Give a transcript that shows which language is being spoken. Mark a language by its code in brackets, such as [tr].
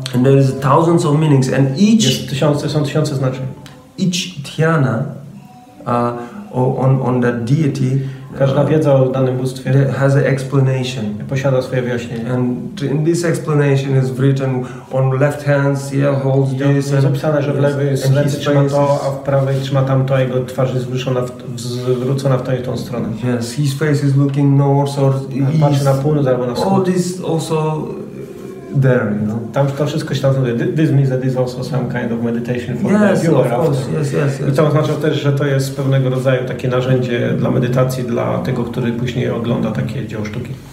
[en] And there is thousands of meanings. And each [pl] tysiące znaczeń. [en] Each dhyana on that deity. [pl] Każda wiedza o danym bóstwie [en] has an explanation. [pl] Posiada swoje wyjaśnienie. [en] And in this explanation is written on left hand, yeah, holds this. [pl] Jest zapisane, że w lewej ręce trzyma to, a w prawej trzyma tamto, a jego twarz jest zwrócona w tą i tą stronę. [en] Yes, his face is looking north or east. [pl] Patrzy na północ albo na wschód. [en] All this also there, you know. [pl] Tam to wszystko się tam znajduje. [en] This means that this is also some kind of meditation for the viewer. Yes. [pl] I to oznacza też, że to jest pewnego rodzaju takie narzędzie dla medytacji, dla tego, który później ogląda takie dzieło sztuki.